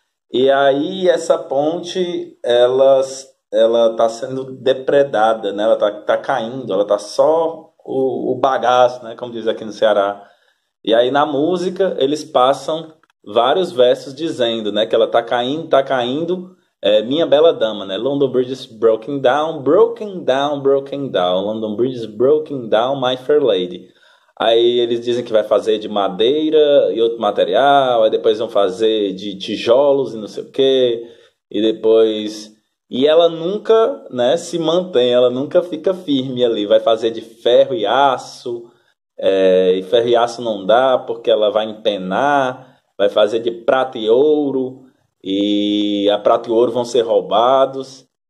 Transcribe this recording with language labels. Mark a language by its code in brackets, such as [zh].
[pt] E aí essa ponte, ela está sendo depredada, né? Ela tá caindo, ela está só o bagaço, né? Como diz aqui no Ceará. E aí na música eles passam vários versos dizendo, né, que ela está caindo, minha bela dama, né? [en] London Bridge is broken down, broken down, broken down. London Bridge is broken down, my fair lady. [pt] Aí eles dizem que vai fazer de madeira e outro material, aí depois vão fazer de tijolos e não sei o quê, e depois... E ela nunca, né, se mantém, ela nunca fica firme ali, vai fazer de ferro e aço, e ferro e aço não dá porque ela vai empenar, vai fazer de prata e ouro, e a prata e ouro vão ser roubados...